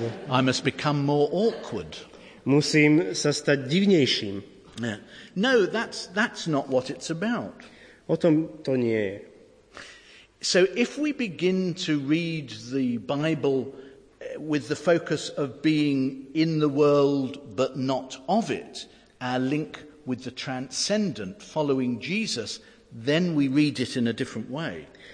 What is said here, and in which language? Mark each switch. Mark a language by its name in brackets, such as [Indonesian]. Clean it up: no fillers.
[English] I must become more awkward. [Slovak] Musím sa stať divnejším. Yeah. [English] No, that's not what it's about. [Slovak] O tom to nie je. [English] So if we begin to read the Bible with the focus of being in the world but not of it, our link with the transcendent, following Jesus, then we read it in a different way.